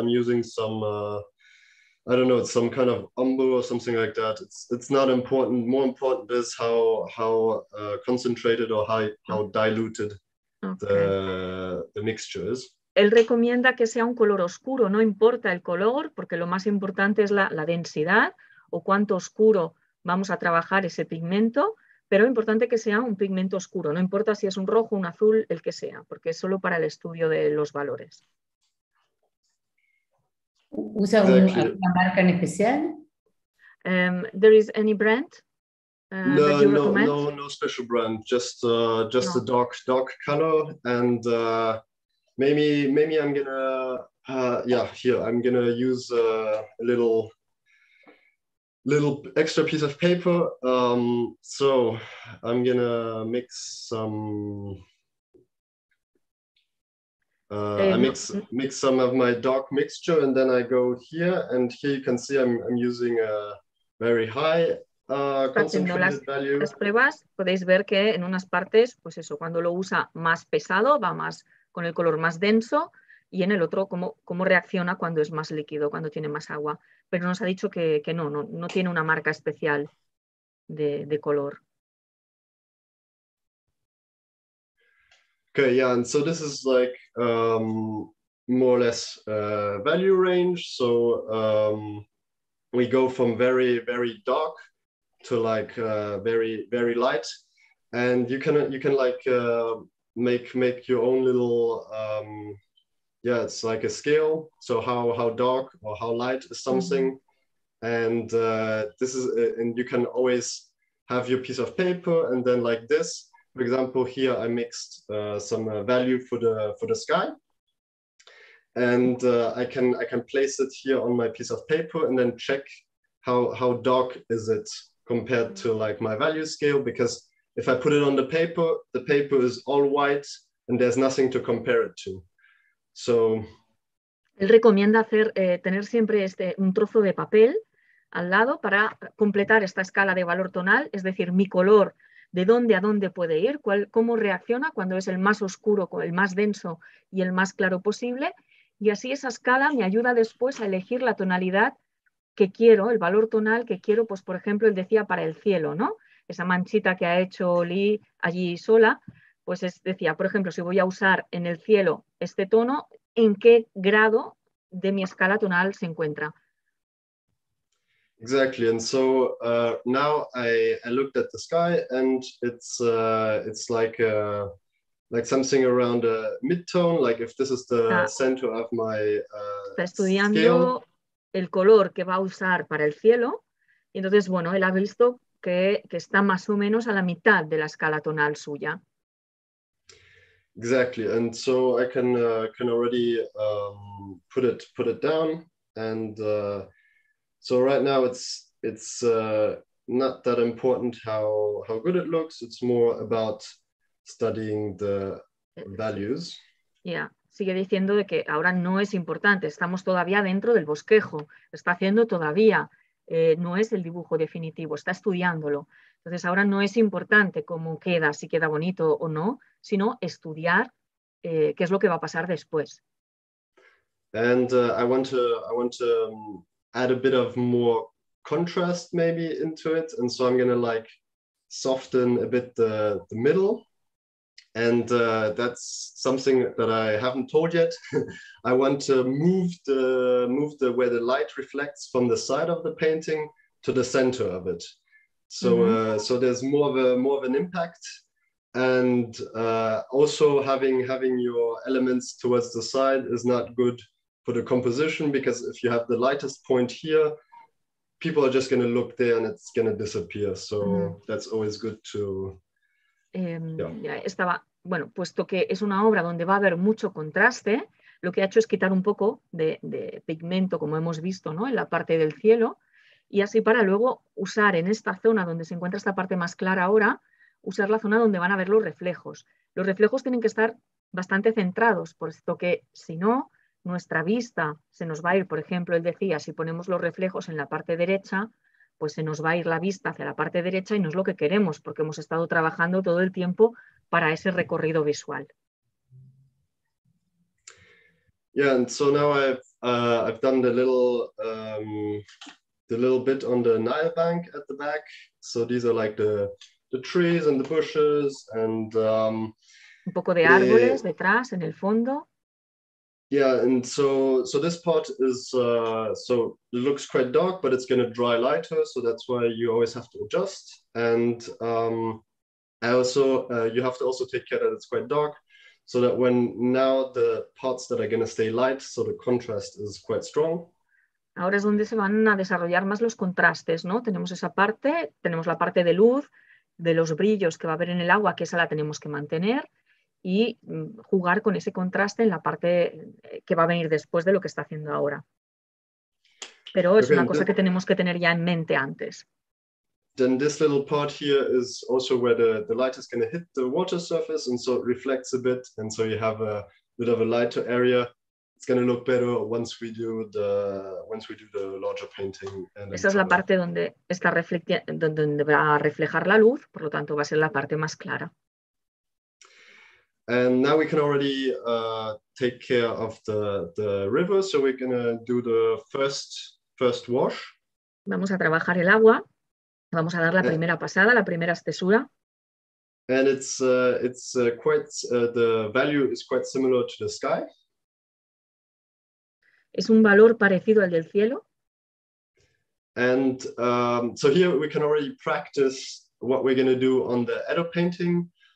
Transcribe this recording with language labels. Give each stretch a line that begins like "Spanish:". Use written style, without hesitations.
English: I'm using some I don't know, it's some kind of umber or something like that. It's not important. More important is how concentrated or how diluted the mixture is.
Spanish: Él recomienda que sea un color oscuro. No importa el color, porque lo más importante es la densidad o cuánto oscuro vamos a trabajar ese pigmento, pero es importante que sea un pigmento oscuro. No importa si es un rojo, un azul, el que sea, porque es solo para el estudio de los valores. ¿Usa una marca en especial?
English: There is any brand? No special brand. Just a dark color, and maybe I'm gonna I'm gonna use a little extra piece of paper. So I'm gonna mix some. I mix some of my dark mixture, and then I go here, and here you can see I'm using a very high concentrated value.
Spanish: Las pruebas, podéis ver que en unas partes, pues eso, cuando lo usa más pesado, va más con el color más denso, y en el otro, cómo reacciona cuando es más líquido, cuando tiene más agua. Pero nos ha dicho que no tiene una marca especial de color.
English: Okay, yeah, and so this is like more or less value range. So we go from very, very dark to like very, very light. And you can like make your own little Yeah, it's like a scale. So how dark or how light is something? Mm-hmm. And this is, and you can always have your piece of paper, and then like this, for example, here I mixed some value for the sky, and I can place it here on my piece of paper, and then check how dark is it compared to like my value scale. Because if I put it on the paper is all white, and there's nothing to compare it to. So,
Spanish: él recomienda hacer tener siempre este un trozo de papel al lado para completar esta escala de valor tonal, es decir, mi color, de dónde a dónde puede ir, cómo reacciona cuando es el más oscuro, el más denso y el más claro posible. Y así esa escala me ayuda después a elegir la tonalidad que quiero, el valor tonal que quiero, pues por ejemplo, él decía para el cielo, ¿no? Esa manchita que ha hecho Lee allí sola, pues es, decía, por ejemplo, si voy a usar en el cielo este tono, ¿en qué grado de mi escala tonal se encuentra?
English: Exactly, and so now I looked at the sky, and it's like something around a mid-tone. Like if this is the center of my
Spanish: está estudiando scale. El color que va a usar para el cielo, y entonces bueno, él ha visto que está más o menos a la mitad de la escala tonal suya.
English: Exactly, and so I can already put it down and. So right now it's not that important how good it looks. It's more about studying the values.
Spanish: Yeah, sigue diciendo de que ahora no es importante. Estamos todavía dentro del bosquejo. Está haciendo todavía. No es el dibujo definitivo. Está estudiándolo. Entonces ahora no es importante cómo queda, si queda bonito o no, sino estudiar qué es lo que va a pasar después.
English: And I want to add a bit of more contrast maybe into it, and so I'm gonna like soften a bit the middle, and that's something that I haven't told yet. I want to move the where the light reflects from the side of the painting to the center of it, so mm-hmm. So there's more of an impact, and also having your elements towards the side is not good for the composition, because if you have the lightest point here, people are just going to look there and it's going to disappear. So that's always good to.
Spanish: Ya estaba, bueno, puesto que es una obra donde va a haber mucho contraste, lo que ha hecho es quitar un poco de pigmento, como hemos visto, ¿no? En la parte del cielo, y así para luego usar en esta zona donde se encuentra esta parte más clara ahora, usar la zona donde van a ver los reflejos. Los reflejos tienen que estar bastante centrados, por esto que si no, nuestra vista se nos va a ir, por ejemplo, él decía, si ponemos los reflejos en la parte derecha, pues se nos va a ir la vista hacia la parte derecha y no es lo que queremos, porque hemos estado trabajando todo el tiempo para ese recorrido visual.
English: Yeah, and so now I've done the little bit on the Nile bank at the back. So these are like the trees and the bushes and
Spanish: un poco de árboles detrás, en el fondo.
English: Yeah, and so this part is so it looks quite dark, but it's going to dry lighter, so that's why you always have to adjust. And you have to also take care that it's quite dark, so that when now the parts that are going to stay light, so the contrast is quite strong.
Spanish: Ahora es donde se van a desarrollar más los contrastes, ¿no? Tenemos esa parte, tenemos la parte de luz, de los brillos que va a haber en el agua, que esa la tenemos que mantener. Y jugar con ese contraste en la parte que va a venir después de lo que está haciendo ahora. Pero es okay, una cosa que tenemos que tener ya en mente antes.
English: Then this little part here is also where the light is going to hit the water surface, and so it reflects a bit, and so you have a bit of a lighter area. It's going to look better once we do the larger painting.
Spanish: Esa es la parte donde está donde va a reflejar la luz, por lo tanto va a ser la parte más clara.
English: And now we can already take care of the river, so we're gonna do the first wash.
Spanish: Vamos a trabajar el agua. Vamos a dar la primera pasada, la primera espesura.
English: And the value is quite similar to the sky.
Spanish: Es un valor parecido al del cielo.
English: And so here we can already practice what we're gonna do on the Edo painting.